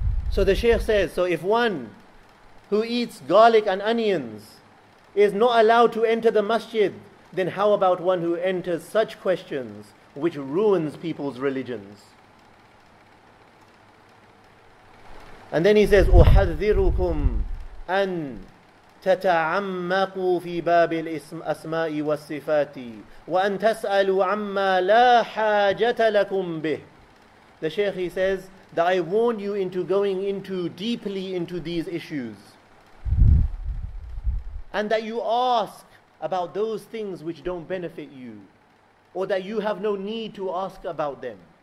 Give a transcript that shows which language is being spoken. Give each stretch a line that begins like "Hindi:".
English: So the Shaykh says, so if one who eats garlic and onions is not allowed to enter the masjid, then how about one who enters such questions which ruins people's religions? And then he says,
Arabic: أُحَذِّرُكُمْ أَن تَتَعَمَّقُوا فِي بَابِ الْأَسْمَاءِ وَالصِّفَاتِ وَأَن تَسْأَلُوا عَمَّا لَا حَاجَةَ لَكُمْ بِهِ.
English: The Shaykh, he says, that I warn you into going into deeply into these issues, and that you ask about those things which don't benefit you, or that you have no need to ask about them.